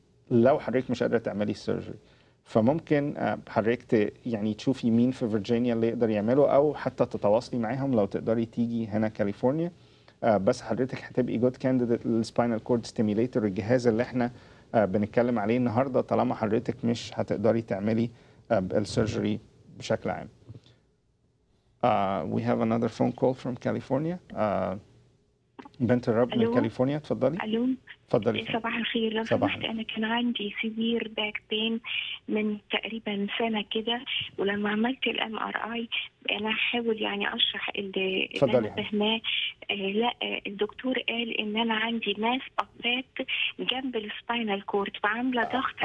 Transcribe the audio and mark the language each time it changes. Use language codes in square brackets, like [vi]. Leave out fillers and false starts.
[ar] لو حضرتك مش قادرة تعملي السيرجري، فممكن حضرتك يعني تشوفي مين في فيرجينيا اللي يقدر يعمله، أو حتى تتواصلي معاهم لو تقدري تيجي هنا كاليفورنيا. بس حضرتك هتبقي جود كانديديت للسباينال كورد ستيميليتور، الجهاز اللي احنا بنتكلم عليه النهارده، طالما حضرتك مش هتقدري تعملي السيرجري بشكل عام. [en] We have another phone call from California. [ar] بنت الرب من كاليفورنيا تفضلي. الو تفضلي. صباح الخير. لو سمحت انا كان عندي [en] severe back pain [ar] من تقريبا سنه كده ولما عملت الام ار اي انا هحاول يعني اشرح اللي انا فهماه. لا الدكتور قال ان انا عندي ماس ابات جنب السباينال كورد فعامله ضغط.